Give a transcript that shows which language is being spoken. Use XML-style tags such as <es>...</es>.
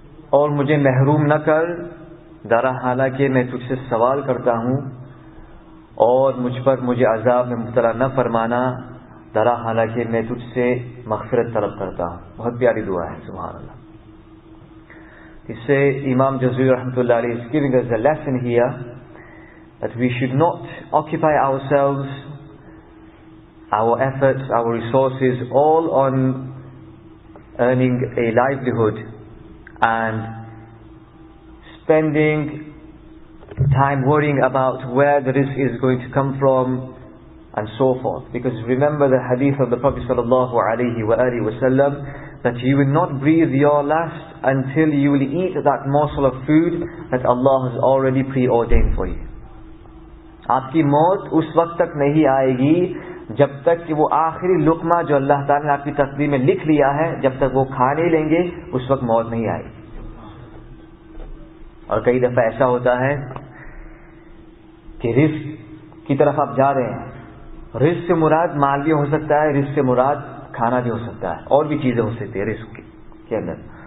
<ur>اور مجھے محروم نہ کر دارا حالانکہ میں تجھ سے سوال کرتا ہوں, اور مجھ پر مجھے عذاب میں مبتلا نہ فرمانا دارا حالانکہ میں تجھ سے مغفرت طلب کرتا ہوں. بہت پیاری دعا ہے, سبحان اللہ. اس سے</ur> <en>امام جزوی رحمۃ اللہ علیہ is giving us a lesson here that we should not occupy ourselves, our efforts, our resources, all on earning a livelihood and spending time worrying about where the rizq is going to come from and so forth. Because remember the hadith of the Prophet sallallahu alayhi wa alihi wa sallam that you will not breathe your last until you will eat that morsel of food that Allah has already preordained for you.</en> <ur>Aapki maut us waqt tak nahi aayegi جب تک کہ وہ آخری لقمہ جو اللہ تعالیٰ نے آپ کی تقدیر میں لکھ لیا ہے جب تک وہ کھا نہیں لیں گے اس وقت موت نہیں آئے. اور کئی دفعہ ایسا ہوتا ہے کہ رزق کی طرف آپ جا رہے ہیں, رزق سے مراد مال بھی ہو سکتا ہے, رزق سے مراد کھانا بھی ہو سکتا ہے, اور بھی چیزیں ہو سکتی ہیں رزق کے اندر.</ur>